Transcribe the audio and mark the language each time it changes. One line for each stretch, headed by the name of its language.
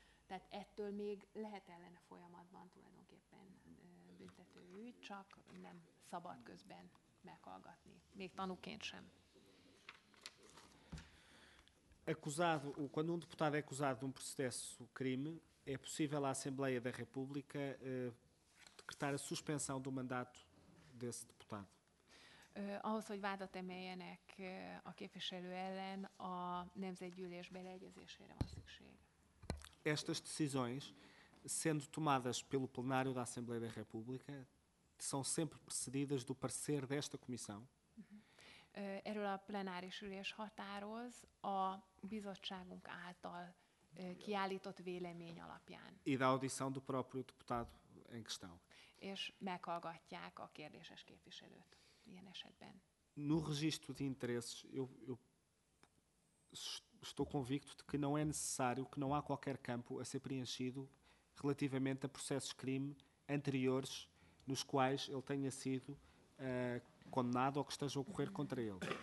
Hungarian: Tehát ettől még lehet ellene folyamatban tulajdonképpen büntetőügy, csak nem szabad közben meghallgatni, még tanúként sem.
Portuguese: Acusado, quando um deputado é acusado de um processo crime, é possível à Assembleia da República decretar a suspensão do mandato desse deputado.
Hungarian: Ahhoz, hogy vádat emeljenek a képviselő ellen, a Nemzetgyűlés beleegyezésére van szükség.
Portuguese: Estas decisões, sendo tomadas pelo plenário da Assembleia da República, são sempre precedidas do parecer desta comissão.
Hungarian: Erről a plenáris ülés határoz a bizottságunk által kiállított vélemény alapján.
Portuguese: E da audição do próprio deputado em questão.
Hungarian: És meghallgatják a kérdéses képviselőt ilyen esetben.
Portuguese: No registro de interesses, eu estou convicto de que não é necessário, que não há qualquer campo a ser preenchido relativamente a processos de crime anteriores nos quais ele tenha sido condenado ou que esteja a ocorrer contra ele.